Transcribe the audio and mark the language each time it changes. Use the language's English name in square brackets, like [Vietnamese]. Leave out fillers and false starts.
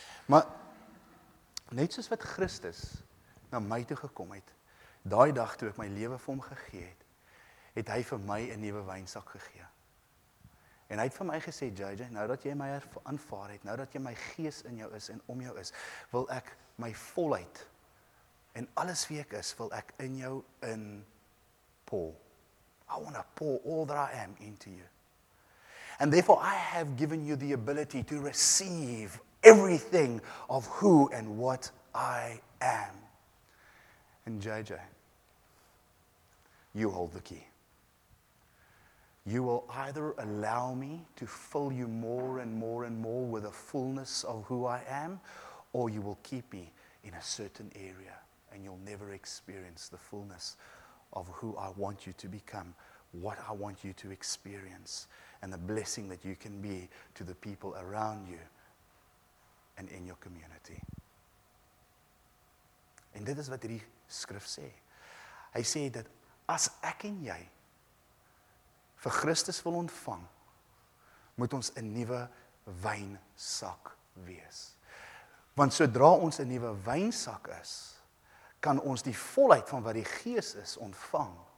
[Afrikaans] Maar, net soos wat Christus na my toe gekom het, daai dag toe ek my lewe vir hom gegee het, het hy vir my 'n nuwe wynsak gegee. En hy het vir my gesê, JJ, nou dat jy my aanvaar het, nou dat jy my gees in jou is en om jou is, wil ek my volheid en alles wie ek is, wil ek in jou in pour. [English] I want to pour all that I am into you. And therefore I have given you the ability to receive everything of who and what I am. And JJ, you hold the key. You will either allow me to fill you more and more and more with the fullness of who I am, or you will keep me in a certain area and you'll never experience the fullness of who I want you to become, what I want you to experience, and the blessing that you can be to the people around you and in your community. [Afrikaans] En dit is wat hierdie skrif sê. Hy sê dat as ek en jy vir Christus wil ontvang, moet ons 'n nuwe wynsak wees. Want sodra ons 'n nuwe wynsak is, kan ons die volheid van wat die Gees is ontvang.